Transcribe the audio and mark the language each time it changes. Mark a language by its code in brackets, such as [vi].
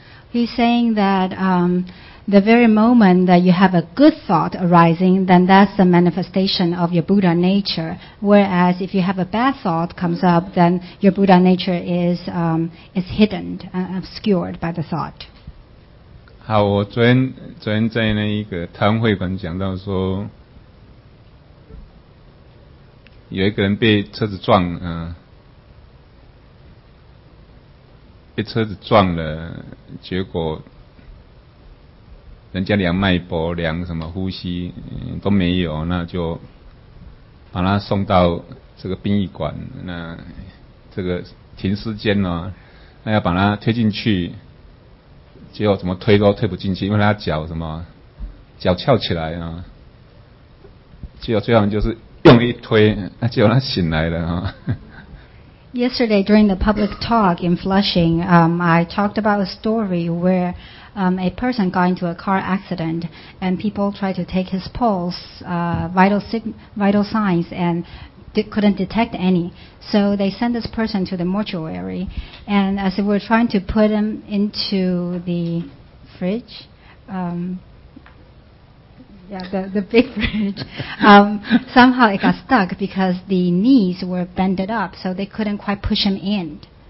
[en] He's saying that the very moment that you have a good thought arising, then that's the manifestation of your Buddha nature. Whereas if you have a bad thought comes up, then your Buddha nature is hidden, obscured by the thought. [zh] 好，我昨天在那一个台湾会馆讲到说，有一个人被车子撞，被车子撞了，结果人家量脉搏量什么呼吸、都没有，那就把他送到这个殡仪馆，那这个停尸间呢，那要把他推进去，结果怎么推都推不进去，因为他脚什么脚翘起来啊，结果最后就是用力推，那结果他醒来了啊。 [en] Yesterday during the public talk in Flushing, I talked about a story where a person got into a car accident and people tried to take his pulse, vital signs and couldn't detect any. So they sent this person to the mortuary, and as they were trying to put him into the fridge, the big fridge, somehow it got stuck because the knees were bended up, so they couldn't quite push him in.